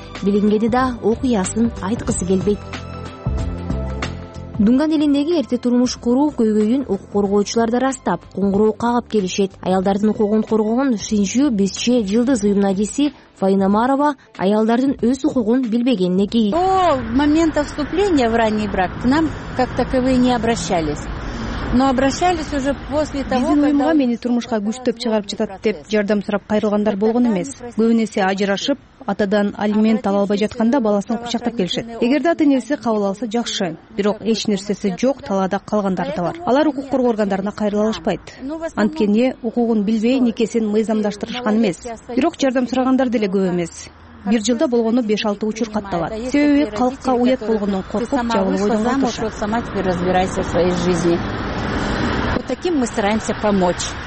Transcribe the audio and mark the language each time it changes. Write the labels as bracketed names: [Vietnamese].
[Kyrgyz] Билингенде да окуясын айткысы келбейт. Дунган элиндеги эрте турмуш куруу көйгөйүн укук коргоочулар да растап, коңгуроо кагып келишет. Аялдардын укугун коргогон Шинжүү Бизче Жылдыз уюмунун адиси Фаина Марова аялдардын өз укугун билбегенине кийип. [Russian] Ол момента вступления в ранний брак к нам как таковые не обращались. Но обращались уже после того, [Kyrgyz] биздин уюмга мени турмушка күчтөп чыгарып жатат деп жардам сурап кайрылгандар болгон эмес. Көбүнесе ажырашып, атадан алимент ала албай жатканда баласын кучактап келишет. Эгерде ата энеси кабыл алса жакшы, бирок эч нерсеси жок талаада калгандар да бар. Алар укук коргоо органдарына кайрылышпайт. Анткени укугун билбей никесин мыйзамдаштырышкан эмес. Бирок жардам сурагандар деле көп эмес. Бир жылда болгону 5-6 учур катталат. Себеби калкка уят болгондон коркуп жабылып ойдон алышат. [Russian] Сама себе разбирайся в своей жизни. Вот таким мы стараемся помочь.